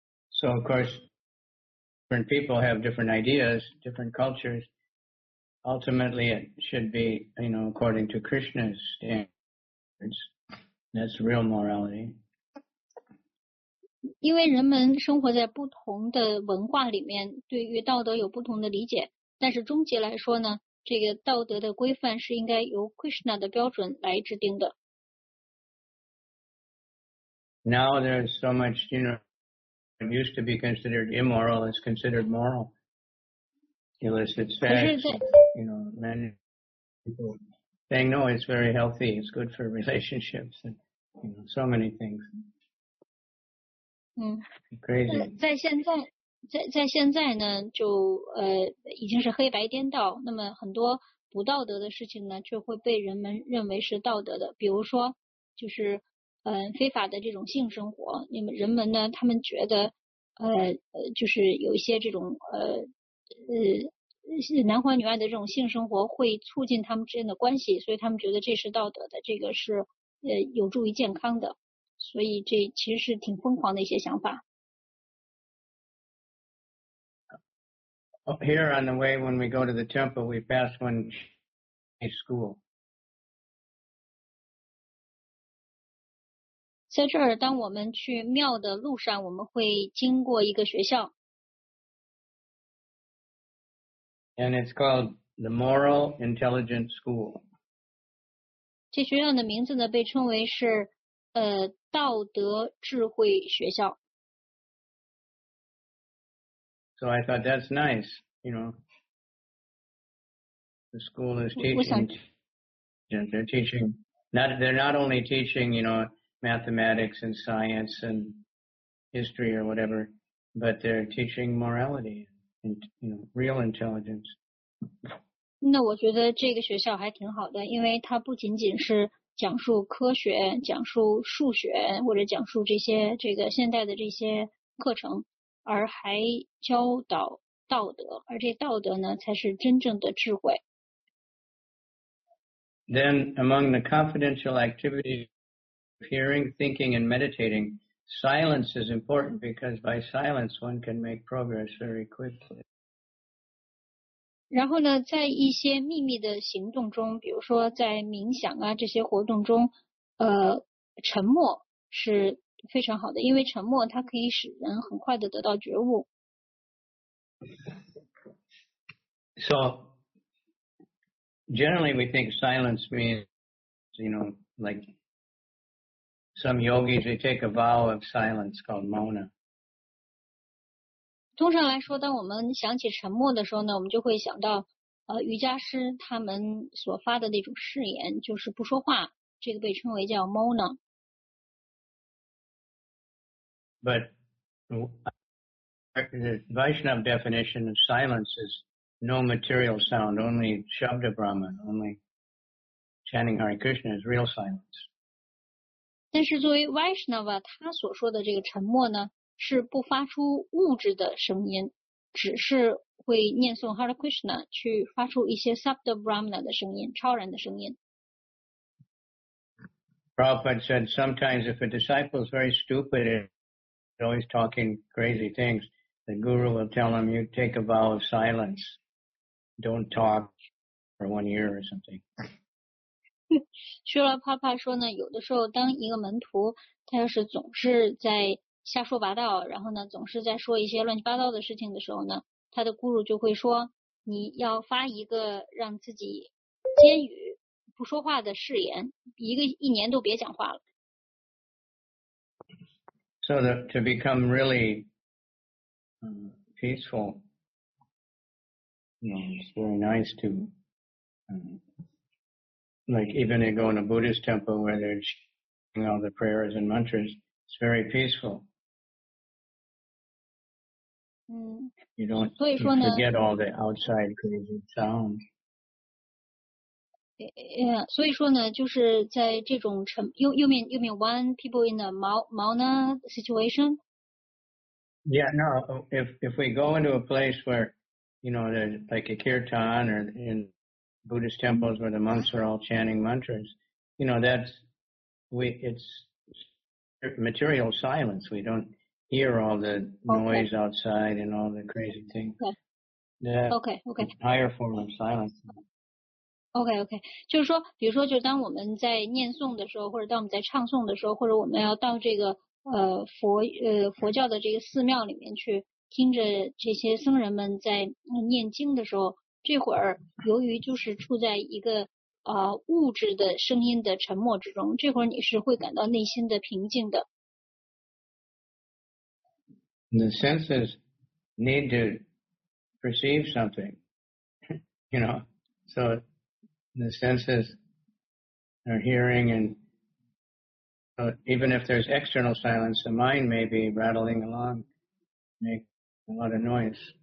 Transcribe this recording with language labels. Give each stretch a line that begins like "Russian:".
English: So of course, different people have different ideas, different cultures. Ultimately, it should be, you know, according to Krishna's standards. That's real morality.
Chinese: 因为人们生活在不同的文化里面，对于道德有不同的理解。但是终极来说呢，这个道德的规范是应该由 Krishna 的标准来制定的。
English: Now there's so much, you know, it used to be considered immoral, it's considered moral. Illicit sex, you know, many people saying, no, it's very healthy, it's good for relationships, and you know, so many things. Crazy.
Chinese: 在现在呢，就已经是黑白颠倒，那么很多不道德的事情呢，就会被人们认为是道德的。比如说，就是非法的这种性生活，那么人们呢，他们觉得就是有一些这种男欢女爱的这种性生活会促进他们之间的关系，所以他们觉得这是道德的，这个是有助于健康的，所以这其实是挺疯狂的一些想法。
English: Here on the way when we go to the temple, we pass one school.
Chinese: 在这儿，当我们去庙的路上，我们会经过一个学校。
English: And it's called the Moral Intelligent School.
Chinese: 这学校的名字呢被称为是道德智慧学校。
English: So I thought that's nice, you know. The school is teaching. They're teaching. They're not only teaching, you know, mathematics and science and history or whatever, but they're teaching morality and, you know, real intelligence.
Chinese: 那我觉得这个学校还挺好的，因为它不仅仅是讲述科学、讲述数学或者讲述这些这个现代的这些课程，而还教导道德，而这道德呢才是真正的智慧。
English: Then among the confidential activities of hearing, thinking, and meditating, silence is important because by silence one can make progress very quickly.
Chinese: 然后呢在一些秘密的行动中，比如说在冥想啊这些活动中，沉默是非常好的，因为沉默它可以使人很快的得到觉悟。
English: So, generally we think silence means, you know, like some yogis, they take a vow of silence called mauna.
Chinese: 通常来说，当我们想起沉默的时候呢，我们就会想到瑜伽师他们所发的那种誓言，就是不说话，这个被称为叫 mauna。
English: But the Vaishnava definition of silence is no material sound, only Shabda Brahma, only chanting Hare Krishna is real silence.
Chinese: 但是作为 Vaishnava, 他所说的这个沉默呢，是不发出物质的声音，只是会念诵 Hare Krishna, 去发出一些 Shabda Brahma 的声音，超然的声音。
English: Prabhupada said, sometimes if a disciple is very stupid, he's always talking crazy things, the guru will tell him, you take a vow of silence. Don't talk for 1 year or something.
Chinese: 说了帕帕说呢，有的时候当一个门徒他要是总是在瞎说八道，然后呢总是在说一些乱七八糟的事情的时候呢，他的guru就会说，你要发一个让自己监狱不说话的誓言，一个一年都别讲话了。
English: So that to become really peaceful, you know, it's very nice to, like even to go in a Buddhist temple where they're chanting all the prayers and mantras, it's very peaceful. You don't forget all the outside crazy sounds. Yeah,
Chinese: 所以说呢，就是在这种沉
English: you mean one people in a mauna situation? Yeah, no, if we go into a place where, you know, like a kirtan or in Buddhist temples where the monks are all chanting mantras, you know, it's material silence. We don't hear all the noise outside and all the crazy things. Okay. The higher form of silence.
Chinese: OK, 就是说比如说就当我们在念诵的时候，或者当我们在唱诵的时候，或者我们要到这个佛教的这个寺庙里面去听着这些僧人们在念经的时候，这会儿由于就是处在一个物质的声音的沉默之中，这会儿你是会感到内心的平静的。
English: The senses need to perceive something, you know, so... The senses are hearing, and even if there's external silence, the mind may be rattling along, make a lot of noise.